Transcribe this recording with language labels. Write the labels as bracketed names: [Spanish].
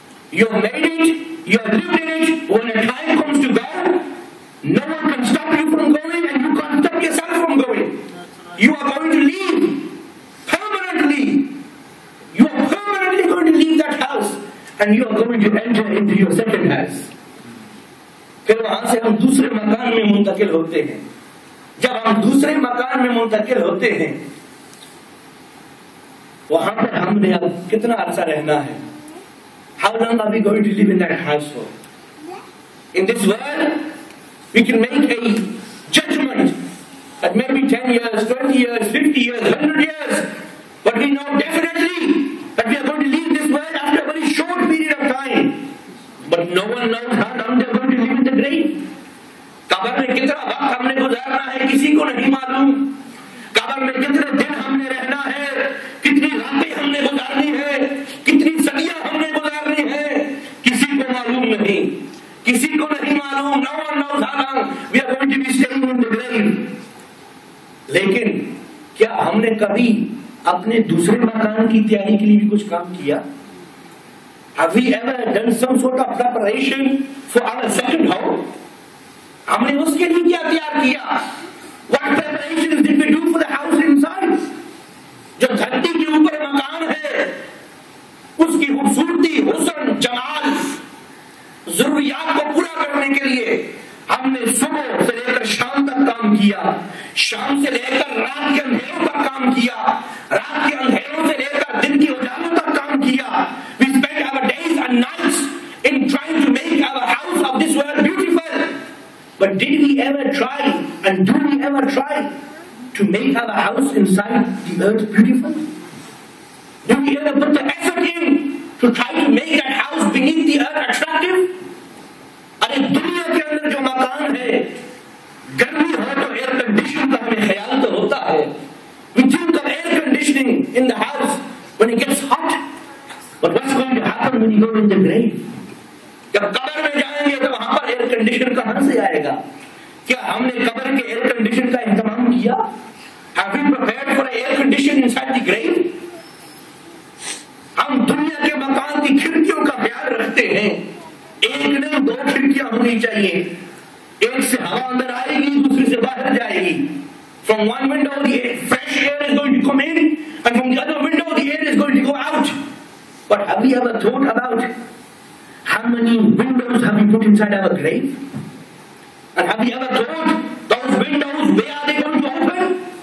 [English] You have made it, you have lived in it. When a time comes to go, no one can stop you from going, and you can't stop yourself from going. You are going to leave permanently. You are permanently going to leave that house, and you are going to enter into your second house. [Hindi] फिर वहां से हम दूसरे मकान में मुंतकिल होते हैं. जब हम दूसरे मकान में मुंतकिल होते हैं, वहां पर हमने अब कितना अरसा रहना है? [English] How long are we going to live in that house for? In this world, we can make a judgment that maybe 10 years, 20 years, 50 years, 100 years, but we know definitely that we are going to leave this world after a very short period of time. But no one knows how long they are going to live in the grave. [Hindi] कब्र में कितना वक्त हमने गुजारना है किसी को नहीं मालूम. कब्र में कितने दिन हमने रहना है, कितनी रातें हमने गुजारनी है, कितनी सदियां हमने गुजारनी है, किसी को मालूम नहीं. किसी को नहीं मालूम. [English] No one knows how long we are going to be staying in the grave. [Hindi] लेकिन क्या हमने कभी अपने दूसरे मकान की तैयारी के लिए भी कुछ काम किया? [English] Have we ever done some sort of preparation for our second home? [Hindi] हमने उसके लिए क्या तैयार किया? [English] What preparations did we do for the house inside? [Hindi] जो धरती के ऊपर मकान है, उसकी खूबसूरती, हुसन, जमाल, जरूरियात को पूरा करने के लिए हमने सुबह से लेकर शाम तक काम किया, शाम से लेकर रात के अंधेरों तक काम किया, रात के अंधेरों से लेकर दिन के उजालों तक काम किया. [English] We spent our days and nights in trying to make our house of this world beautiful. But did we ever try, and do we ever try to make our house inside the earth beautiful? Do we ever put the effort in to try to make that house beneath the earth attractive? [Hindi] अरे दुनिया के अंदर जो मकान है, गर्मी हो तो एयर कंडीशन का हमें ख्याल तो होता है. [English] We think of air conditioning in the house when it gets hot. But what's going to happen when you go in the grave? [Hindi] जब कब्र में जाएंगे तो वहां पर एयर कंडीशन कहां से आएगा? क्या हमने कब्र के एयर कंडीशन का इंतजाम किया? [English] Have we prepared for air condition inside the grave? [Hindi] हम दुनिया के मकान की खिड़कियों का ख्याल रखते हैं. एक नहीं, दो खिड़कियां होनी चाहिए. एक से हवा अंदर आएगी, दूसरी से बाहर जाएगी. [English] From one window the fresh air is going to come in, and from the other window the air is going to go out. But have we ever thought about how many windows have we put inside our grave? And have we ever thought those windows, where are they going to open?